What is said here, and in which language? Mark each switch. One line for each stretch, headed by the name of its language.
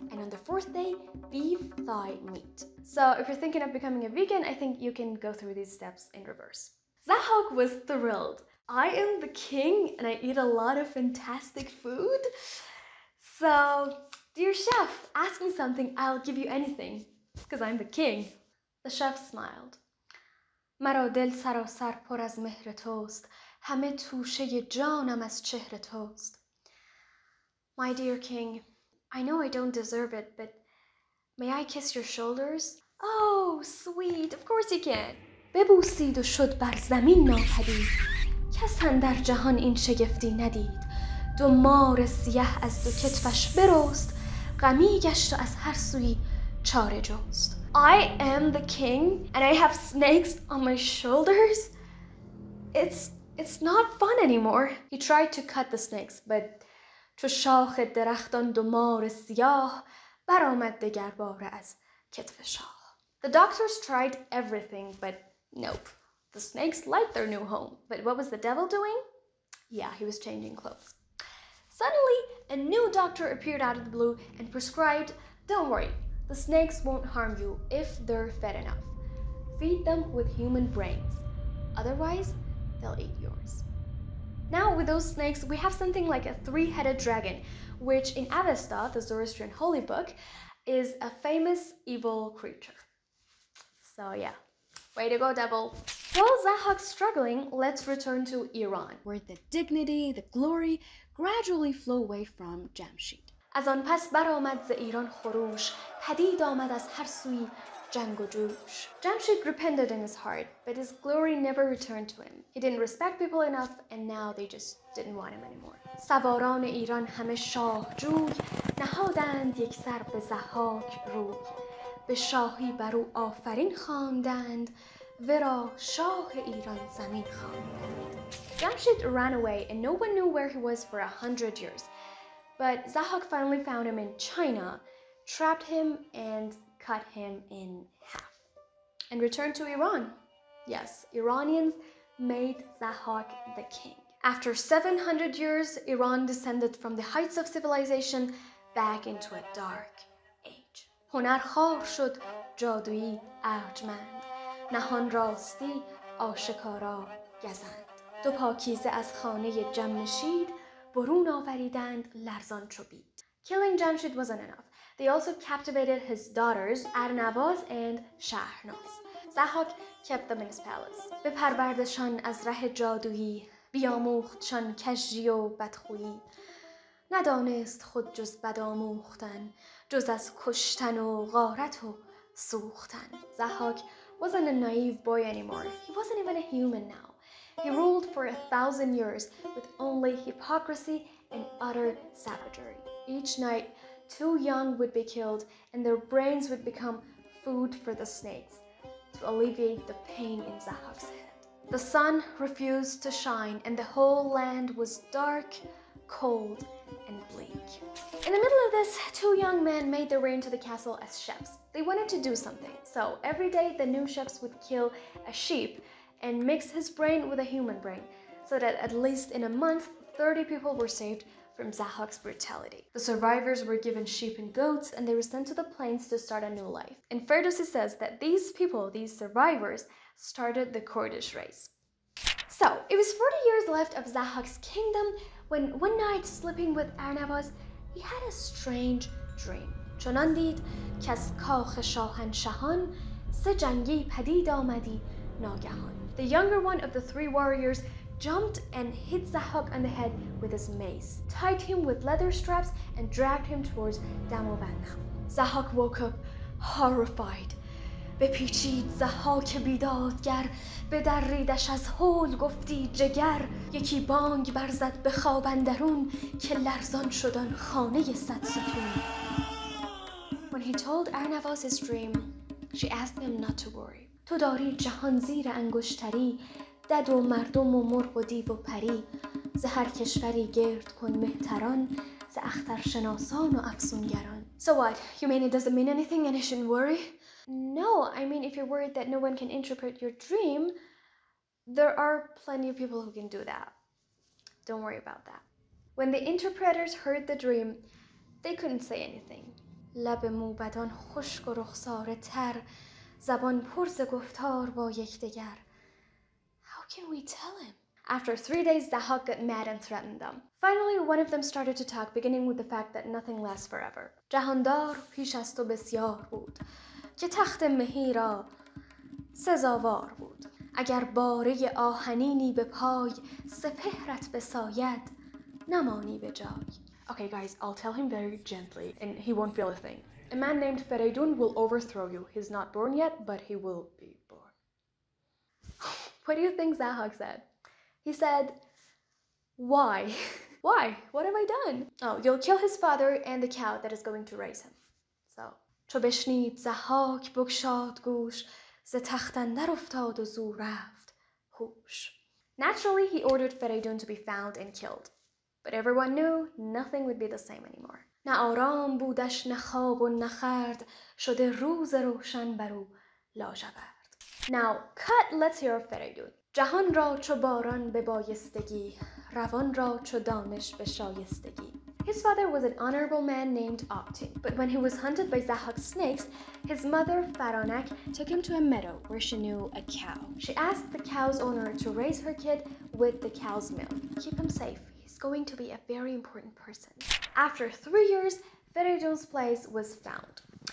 English: And on the fourth day, beef thigh meat. So, if you're thinking of becoming a vegan, I think you can go through these steps in reverse. Zahhak was thrilled. I am the king and I eat a lot of fantastic food. So, dear chef, ask me something, I'll give you anything, because I'm the king. The chef smiled.
Persian: مرو دل سراسر پر از مهر توست، همه توشه جانم از چهر توست.
English: My dear king, I know I don't deserve it, but may I kiss your shoulders? Oh, sweet, of course you can.
Persian: ببوسید و شد بر زمین ناپدید، کس اندر جهان این شگفتی ندید. دو مار سیه از دو کتفش برست،
English: I am the king and I have snakes on my shoulders. It's not fun anymore. He tried to cut the snakes, but
Persian: تو شاخ درختان دمار سیاه برآمد دیگر بار از کتف شاخ.
English: The doctors tried everything, but nope. The snakes liked their new home. But what was the devil doing? Yeah, he was changing clothes. Suddenly, a new doctor appeared out of the blue and prescribed, "Don't worry, the snakes won't harm you if they're fed enough. Feed them with human brains. Otherwise, they'll eat yours." Now, with those snakes, we have something like a three-headed dragon, which in Avesta, the Zoroastrian holy book, is a famous evil creature. So yeah, way to go, devil. While Zahhak's struggling, let's return to Iran, where the dignity, the glory, gradually flow away from Jamshid.
Persian: از آن پس برآمد ز ایران خروش، پدید آمد از هر سوی جنگ و جوش.
English: Jamshid repented in his heart, but his glory never returned to him. He didn't respect people enough, and now they just didn't want him anymore.
Persian: سواران ایران همه شاه جوی، نهادند یک سر به ضحاک روی. به شاهی بر او آفرین خواندند، ورا شاه ایران زمین خواندند.
English: Jamshid ran away and no one knew where he was for 100 years. But Zahhak finally found him in China, trapped him and cut him in half. And returned to Iran. Yes, Iranians made Zahhak the king. After 700 years, Iran descended from the heights of civilization back into a dark age.
Persian: هنرخوار شد جادویی ارجمند، نهان راستی آشکارا گزند. دو پاکیزه از خانه جمشید برون آوریدند لرزان چو بید.
English: Killing Jamshid wasn't enough. They also captivated his daughters, Arnavaz and Shahnaz. Zahhak kept them in his palace.
Persian: بپروردشان از ره جادویی، بیاموخت چون کژی و بدخویی ندانست خود جز بد آموختن جز از کشتن و غارت و سوختن.
English: Zahhak wasn't a naive boy anymore. He wasn't even a human now. He ruled for 1,000 years with only hypocrisy and utter savagery. Each night, two young would be killed and their brains would become food for the snakes to alleviate the pain in Zahhak's head. The sun refused to shine and the whole land was dark, cold, and bleak. In the middle of this, two young men made their way into the castle as chefs. They wanted to do something, so every day the new chefs would kill a sheep and mix his brain with a human brain, so that at least in a month, 30 people were saved from Zahhak's brutality. The survivors were given sheep and goats, and they were sent to the plains to start a new life. And Ferdowsi says that these people, these survivors, started the Kurdish race. So, it was 40 years left of Zahhak's kingdom, when one night, sleeping with Arnavaz, he had a strange dream.
Persian: چنان دید که از کاخ شاهنشاهان سه جنگی پدید آمدی ناگهان.
English: The younger one of the three warriors jumped and hit Zahhak on the head with his mace, tied him with leather straps and dragged him towards Damavand. Zahhak woke up horrified.
Persian: بپیچید زهاق بیدادگر بدریدش از هول گفتی جگر یکی بانگ برزد به خواب اندرون که لرزان شدن خانه صد ستون.
English: When he told Arnavaz his dream, she asked him not to worry.
Persian: تو داری جهان زیر انگشتری دد و مردم و مرغ و دیو و پری ز هر کشوری گرد کن مهتران ز اخترشناسان و افسونگران.
English: So what? You mean it doesn't mean anything and I shouldn't worry? No, I mean if you're worried that no one can interpret your dream, there are plenty of people who can do that. Don't worry about that. When the interpreters heard the dream, they couldn't say anything.
Persian: لب موبدان خشک و رخساره تر زبان پر ز گفتار با یکدیگر.
English: How can we tell him? After 3 days, Zahhak got mad and threatened them. Finally, one of them started to talk, beginning with the fact that nothing lasts forever.
Persian: جهاندار پیش از تو بسیار بود که تخت مهی را سزاوار بود. اگر باره آهنینی به پای سپهرت بساید نمانی به جای.
English: Okay guys, I'll tell him very gently and he won't feel a thing. A man named Ferdowsi will overthrow you. He's not born yet, but he will be born. What do you think Zahhak said? He said, why? Why? What have I done? Oh, you'll kill his father and the cow that is going to raise him. So.
Persian: چو بشنید زهاک بکشاد گوش ز تخت اندر افتاد و زو رفت هوش.
English: Naturally, he ordered Ferdowsi to be found and killed. But everyone knew nothing would be the same anymore.
Persian: نه آرام بودش نه خواب و نه خورد شده روز روشن بر او لاجورد.
English: Now, cut, let's hear of Ferdowsi.
Persian: جهان را چو باران به بایستگی روان را چو دانش به شایستگی.
English: His father was an honorable man named Opti. But when he was hunted by Zahhak's snakes, his mother, Faronak, took him to a meadow where she knew a cow. She asked the cow's owner to raise her kid with the cow's milk. Keep him safe. He's going to be a very important person. After 3 years, Ferdowsi's place was found.